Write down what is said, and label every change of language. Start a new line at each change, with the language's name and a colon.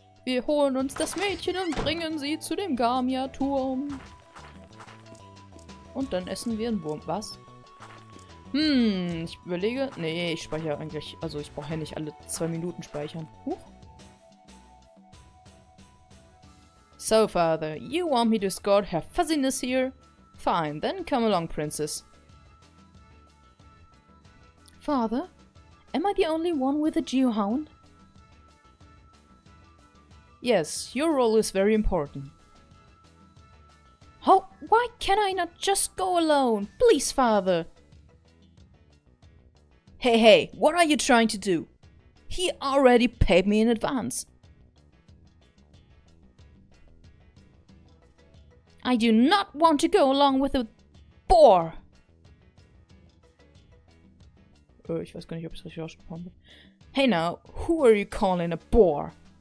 German: Wir holen uns das Mädchen und bringen sie zu dem Garmia-Turm. Und dann essen wir einen Wurm. Was? Ich überlege. Nee, ich speichere eigentlich. Also ich brauche ja nicht alle 2 Minuten speichern. Huch.
English: So, Father, you want me to escort her fuzziness here? Fine, then come along, Princess. Father? Am I the only one with a Geohound? Yes, your role is very important. Oh, why can I not just go alone? Please, Father! Hey, hey, what are you trying to do? He already paid me in advance. I do not want to go along with a boar!
German: Ich weiß gar nicht, ob ich es richtig ausgesprochen habe.
English: Hey now, who are you calling a boar?